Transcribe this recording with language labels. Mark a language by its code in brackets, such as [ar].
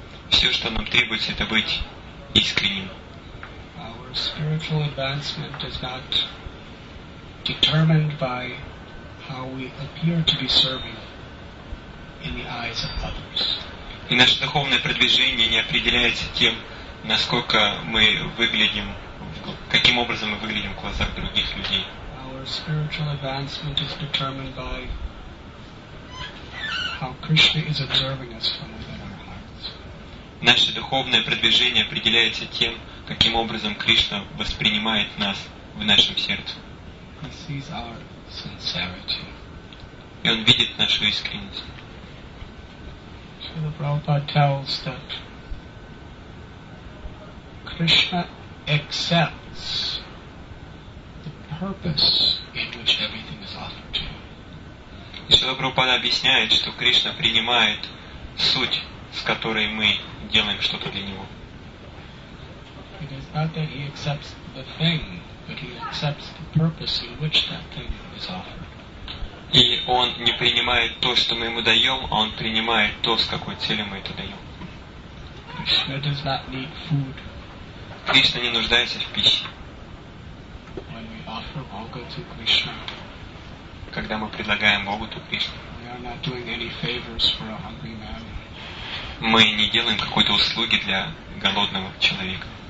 [ru] Все, что нам требуется, это быть искренним. [en] Our spiritual advancement is not determined by how we appear to be serving in the eyes of others. [ru] И наше духовное продвижение не определяется тем, насколько мы выглядим, каким образом мы выглядим в глазах других людей. [en] Our spiritual advancement is determined by how Krishna is observing us from within our hearts. [ru] Наше духовное продвижение определяется тем, каким образом Кришна воспринимает нас в нашем сердце. [en] He sees our sincerity. [ru] И он видит нашу искренность. [en] Srila Prabhupada tells that Krishna accepts the purpose in which everything is offered to him. [ru] Srila Prabhupada объясняет, что Кришна принимает суть, с которой мы делаем что-то для него. [en] It is not that he accepts the thing, but he accepts the purpose in which that thing is offered. [ru] И он не принимает то, что мы ему даем, а он принимает то, с какой целью мы это даем. [en] Krishna does not need food. [ru] Кришна не нуждается в пище. [en] When we offer Bhoga to Krishna, [ru] когда мы предлагаем Богу ту Кришну, [en] we are not doing any favors for a hungry man. [ru] Мы не делаем какой-то услуги для голодного человека.